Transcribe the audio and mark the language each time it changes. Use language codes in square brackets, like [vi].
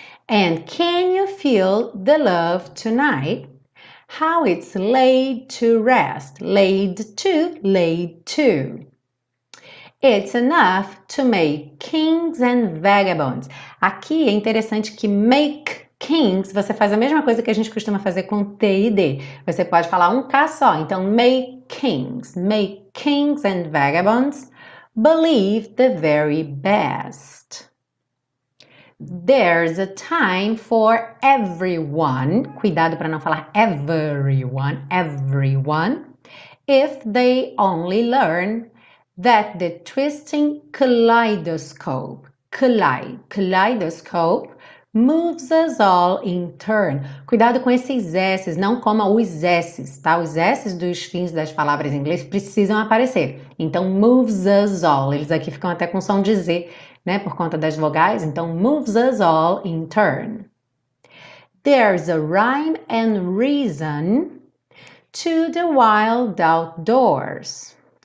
[en] And can you feel the love tonight? How it's laid to rest, laid to, laid to. It's enough to make kings and vagabonds. [pt] Aqui é interessante que [en] make kings, [pt] você faz a mesma coisa que a gente costuma fazer com T e D. Você pode falar um K só. [en] Então, make kings and vagabonds believe the very best. There's a time for everyone. [pt] Cuidado para não falar everyone, everyone. [en] If they only learn that the twisting kaleidoscope, kaleidoscope, moves us all in turn. [pt] Cuidado com esses S's, não coma os S's, tá? Os S's dos fins das palavras em inglês precisam aparecer. Então, [en] moves us all. [pt] Eles aqui ficam até com som de Z, né? Por conta das vogais. Então, [en] moves us all in turn. There's a rhyme and reason to the wild outdoors.